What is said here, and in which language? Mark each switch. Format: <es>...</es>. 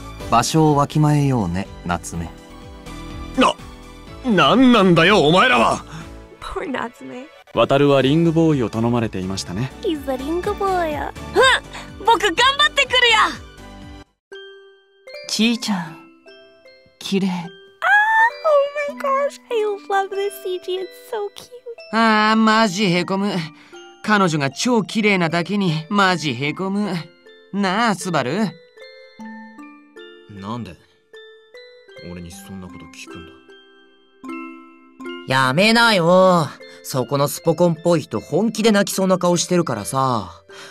<ja>場所をわきまえようね、夏目。なんなんだよ、お前らは。渡るはリングボーイを頼まれていましたね。</ja> <en>He's a ring boy.</en> <ja>うん、僕頑張ってくるよ。ちーちゃん、綺麗。</ja> <en>Ah, oh my gosh, I love this CG. It's so cute.</en> <ja>ああ、マジへこむ。彼女が超綺麗なだけにマジへこむ。なあ、スバル。なんで俺にそんなこと聞くんだ。やめなよ。そこのスポコンっぽい人本気で泣きそうな顔してるからさ。</ja>